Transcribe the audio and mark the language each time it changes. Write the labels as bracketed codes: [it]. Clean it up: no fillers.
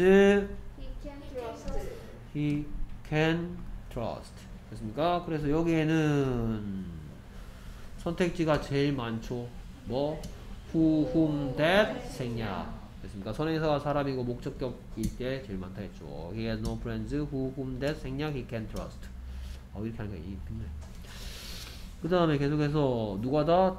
[en] he can trust. He can trust. [ko] 됐습니까? 그래서 여기에는 선택지가 제일 많죠. 뭐 who, whom, that, 생냐. 됐습니까? 선행사가 사람이고 목적격일 때 제일 많다 했죠. [en] He has no friends, who, whom, that, 생냐, he can trust. [ko] 이렇게 하니까 이게 힘들. 그 다음에 계속해서 누가다?